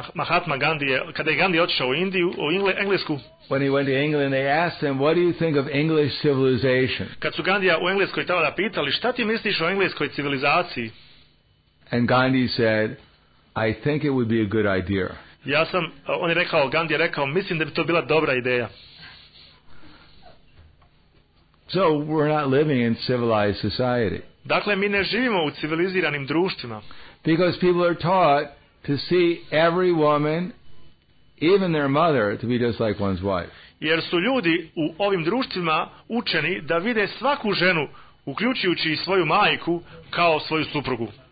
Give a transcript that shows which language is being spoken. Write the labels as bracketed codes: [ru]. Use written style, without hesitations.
[bs] Mahatma Gandhi je, kada je Gandhi otišao u Indiju, u Englesku. [en] When he went to England, they asked him, "What do you think of English civilization?" [bs] Kad su Gandhija u Engleskoj tada pitali, "Šta ti misliš o engleskoj civilizaciji?" [en] And Gandhi said, "I think it would be a good idea." [bs] Ja sam, on je rekao, Gandhi je rekao, mislim da bi to bila dobra ideja. [en] So we're not living in civilized society. [bs] Dakle, mi ne živimo u civiliziranim društvima. [en] Because people are taught to see every woman, even their mother, to be just like one's wife. [bs] Jer su ljudi u ovim društvima učeni da vide svaku ženu, uključujući i svoju majku, kao svoju suprugu.